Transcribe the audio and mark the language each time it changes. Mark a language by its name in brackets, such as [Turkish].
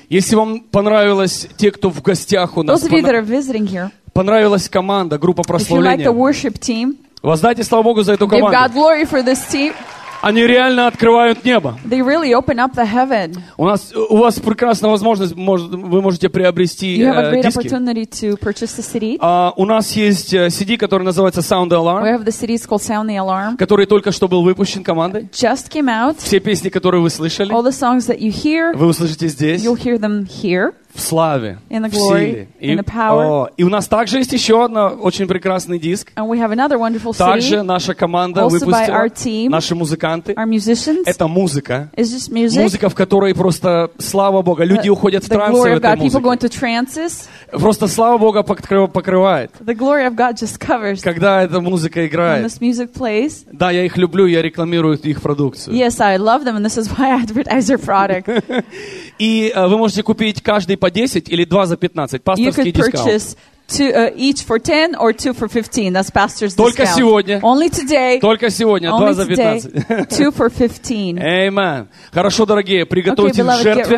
[Russian] Если вам понравилось, те, кто в гостях у нас, [English] those of you that are visiting here, [Russian] понравилась команда, группа прославления, [English] if you like the worship team, [Russian] воздайте слава Богу за эту команду. [English] Give God glory for this team. [Russian] Они реально открывают небо. [English] They really open up the heaven. [Russian] У вас прекрасная возможность, вы можете приобрести диски. [English] You have a great opportunity to purchase the CD. [Russian] У нас есть CD, который называется Sound the Alarm. [English] We have the CD, it's called Sound the Alarm. [Russian] Который только что был выпущен командой. [English] Just came out. [Russian] Все песни, которые вы слышали. [English] All the songs that you hear. [Russian] Вы услышите здесь. [English] You'll hear them here. [Russian] В славе, [English] in the glory, [Russian] в силе. [English] In the power. Oh, [Russian] и у нас также есть еще одна очень прекрасный диск. [English] And we have another wonderful CD, [Russian] также наша команда [English] also [Russian] выпустила, [English] by our team, [Russian] наши музыканты. [English] Our musicians. [Russian] Это музыка. [English] It's just music. [Russian] Музыка, в которой просто слава Богу. Люди уходят в трансы в этой музыке. [English] People go into trances. [Russian] Просто слава Богу покрывает. [English] The glory of God just covers. [Russian] Когда эта музыка играет. [English] When this music plays. [Russian] Да, я их люблю, я рекламирую их продукцию. [English] Yes, I love them, and this is why I advertise their product. [Russian] И вы можете купить каждый по 10 или 2 за 15. Пасторский [English] дискаунт. Each for 10 or 2 for 15. That's pastor's [Russian] Только [English] discount. [Russian] Сегодня. [English] Only today. [Russian] Только сегодня. 2 за 15. [English] Today, 2 for 15. Amen. [Russian] Хорошо, дорогие, приготовьтесь [English] okay, beloved, [Russian] к жертве.